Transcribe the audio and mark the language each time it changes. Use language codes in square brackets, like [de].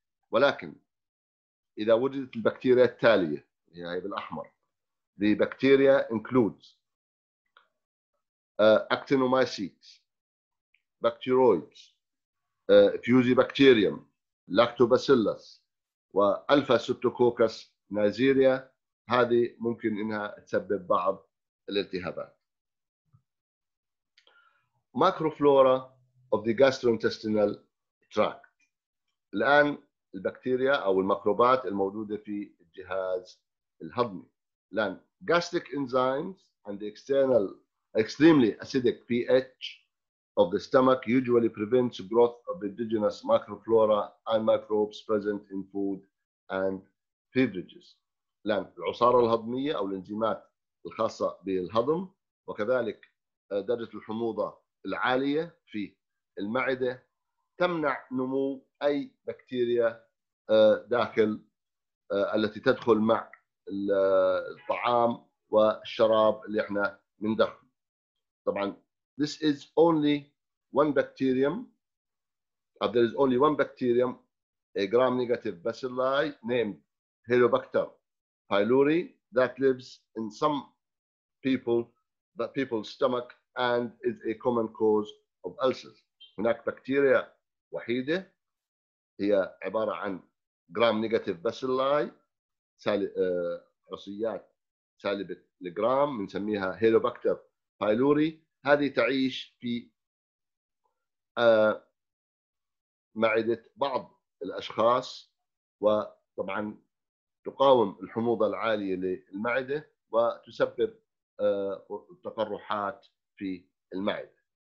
[ar] ولكن إذا وجدت البكتيريا التالية هي بالأحمر، [en] the bacteria includes actinomycetes, bacteroids, fusibacterium, lactobacillus [ar] والفا ستوكوكس نازيريا، هذه ممكن انها تسبب بعض الالتهابات. [en] Microflora of the gastrointestinal tract. [ar] الان البكتيريا او الميكروبات الموجوده في الجهاز الهضمي. [en] لان gastric enzymes and the external extremely acidic pH of the stomach usually prevents growth of indigenous microflora and microbes present in food and beverages. [ar] لأن العصارة الهضمية أو الإنزيمات الخاصة بالهضم، وكذلك درجة الحموضة العالية في المعدة تمنع نمو أي بكتيريا داخل التي تدخل مع الطعام والشراب اللي احنا مندخل. طبعا [en] this is only one bacterium, if there is only one bacterium, a gram-negative bacilli named Helicobacter pylori that lives in some people's stomach and is a common cause of ulcers. [ar] هناك بكتيريا وحيدة هي عبارة عن gram-negative bacilli عصيات سالبة لجرام، نسميها Helicobacter pylori، هذه تعيش في معدة بعض الأشخاص، وطبعا تقاوم الحموضة العالية للمعدة وتسبب تقرحات في المعدة.